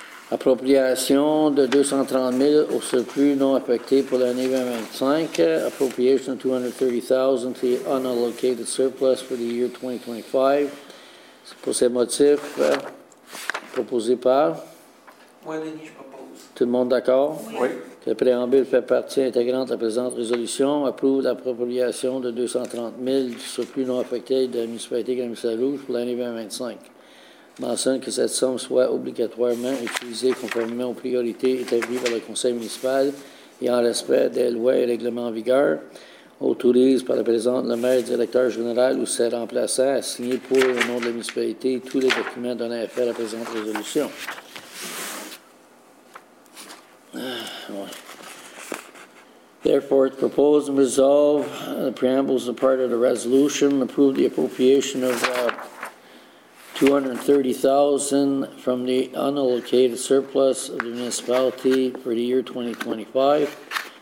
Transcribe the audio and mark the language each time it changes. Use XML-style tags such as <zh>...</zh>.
<fr>Appropriation de 230,000 au surplus non affecté pour l'année 2025.</fr> <en>Appropriation of $230,000 to unallocated surplus for the year 2025.</en> <fr>Pour ces motifs, proposé par? Oui, Denis, je propose. Tout le monde d'accord? Oui. Que le préambule fait partie intégrante de la présente résolution. Approuve l'appropriation de 230,000 du surplus non affecté de la municipalité de Grand-Missalouge pour l'année 2025. Mentionne que cette somme soit obligatoirement utilisée conformément aux priorités établies par le Conseil municipal et en respect des lois et règlements en vigueur. Autorise par la présente le maire directeur général ou ses remplaçants à signer pour le nom de la municipalité tous les documents donnés à faire à la présente résolution.</fr> <en>Therefore, it's proposed and resolved the preamble is a part of the resolution. Approve the appropriation of $230,000 from the unallocated surplus of the municipality for the year 2025.</en>